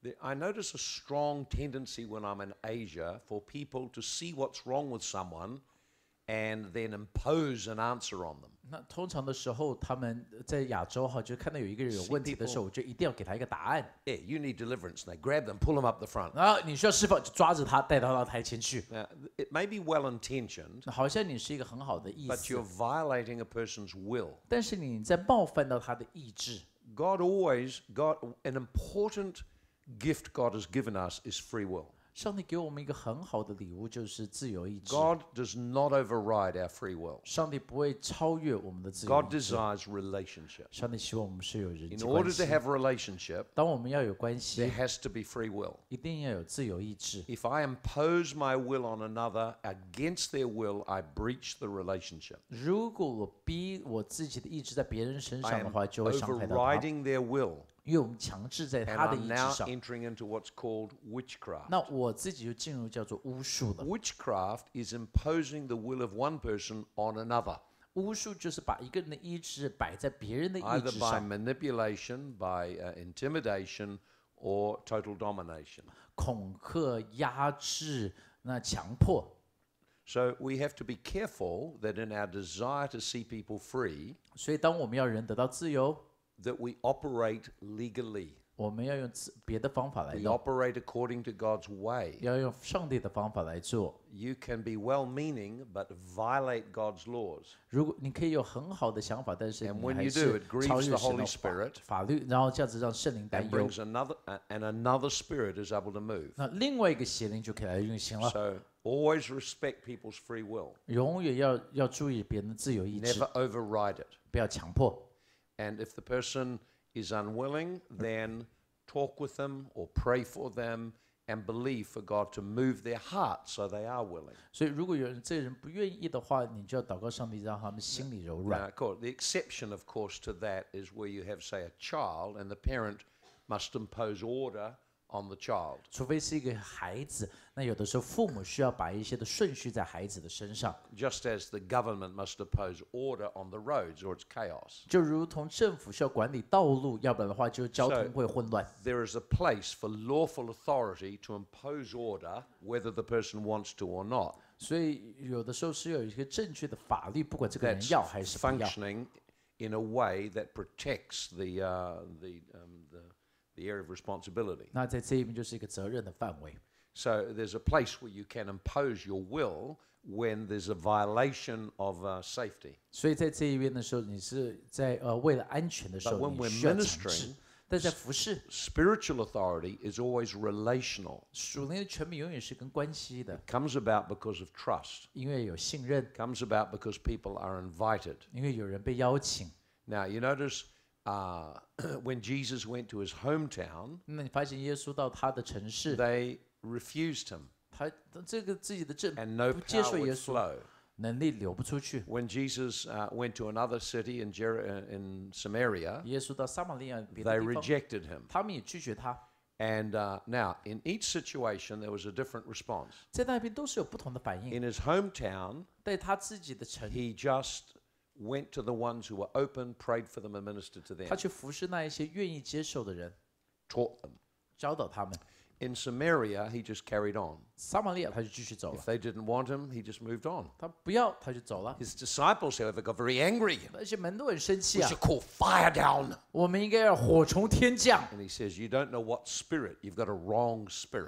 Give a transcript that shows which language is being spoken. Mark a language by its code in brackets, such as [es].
[en] I notice a strong tendency when I'm in Asia for people to see what's wrong with someone and then impose an answer on them. [zh] 那通常的时候，他们在亚洲哈，就看到有一个人有问题的时候，我就一定要给他一个答案。 [en] Yeah, you need deliverance. They grab them, pull them up the front. [zh] 然后你需要释放，就抓着他，带他到台前去。 [en] It may be well-intentioned. [zh] 好像你是一个很好的意思。 [en] But you're violating a person's will. [zh] 但是你在冒犯到他的意志。 [en] God, an important gift God has given us is free will. [zh] 上帝给我们一个很好的礼物，就是自由意志。 [en] God does not override our free will. [zh] 上帝不会超越我们的自由意志。 [en] God desires relationship. [zh] 上帝希望我们是有人际关系。 [en] In order to have relationship, [zh] 当我们要有关系, [en] there has to be free will. [zh] 一定要有自由意志。 [en] If I impose my will on another against their will, I breach the relationship. [zh] 如果我逼我自己的意志在别人身上的话, 就会伤害到他。 [en] I am overriding their will. [zh] 因为我们强制在他的意志上。 [en] And I'm now entering into what's called witchcraft. [zh] 那我自己就进入叫做巫术了。 [en] Witchcraft is imposing the will of one person on another. [zh] 巫术就是把一个人的意志摆在别人的意志上。 [en] Either by manipulation, by intimidation, or total domination. [zh] 恐吓、压制、那强迫。 [en] So we have to be careful that in our desire to see people free, [zh] 所以当我们要人得到自由, [en] that we operate legally. [zh] 我们要用别的方法来用, [en] we operate according to God's way. [zh] 要用上帝的方法来做。 [en] You can be well-meaning but violate God's laws. [zh] 如果你可以有很好的想法, [en] and when you do, it grieves the Holy Spirit. [zh] 法律, [en] and brings another, and another spirit is able to move. [zh] 那另外一个邪灵就可以来运行了。 [en] So always respect people's free will. [zh] 永远要注意别人的自由意志。 [en] Never override it. [zh] 不要强迫。 [en] And if the person is unwilling, then talk with them or pray for them and believe for God to move their heart so they are willing. [zh] 所以如果有人这个人不愿意的话, 你就要祷告上帝让他们心里柔软。 [en] Now, of course, the exception, of course, to that is where you have, say, a child and the parent must impose order on the child. [zh] 除非是一个孩子, 那有的时候父母需要把一些的顺序在孩子的身上。 [en] Just as the government must impose order on the roads or it's chaos. [zh] 就如同政府需要管理道路, 要不然的话就交通会混乱。 [en] So there is a place for lawful authority to impose order whether the person wants to or not. [zh] 所以有的时候是有一个正确的法律, 不管这个人要还是不要。 [en] That's functioning in a way that protects the area of responsibility. [zh] 那在这一边就是一个责任的范围。 [en] So there's a place where you can impose your will when there's a violation of safety. [zh] 所以在这一边的时候，你是在为了安全的时候，你需要强制。 [en] But when we're ministering, [zh] 但在服事。 [en] Spiritual authority is always relational. [zh] 属灵的权柄永远是跟关系的。 [en] It comes about because of trust. [zh] 因为有信任。 [en] Comes about because people are invited. [zh] 因为有人被邀请。 [en] Now you notice. When Jesus went to his hometown, [zh] 那你发现耶稣到他的城市 [en] they refused him. [zh] 他这个自己的镇 [en] and no power would flow. [zh] 能力流不出去 [en] When Jesus went to another city in Samaria, [zh] 耶稣到撒玛利亚别的地方 [en] they rejected him. [zh] 他们也拒绝他 [en] And now, in each situation, there was a different response. [zh] 在那边都是有不同的反应 [en] In his hometown, [zh] 在他自己的城 [en] he just. Went to the ones who were open, prayed for them, and ministered to them. [zh] 他去服侍那一些愿意接受的人 [en] Taught them. [zh] 教导他们 [en] In Samaria, he just carried on. [zh] 撒玛利亚他就继续走了 [en] If they didn't want him, he just moved on. [zh] 他不要他就走了 [en] His disciples, however, got very angry. [zh] 那些门徒很生气啊 [en] We should call fire down. [zh] 我们应该要火从天降 [en] And he says, you don't know what spirit, you've got a wrong spirit.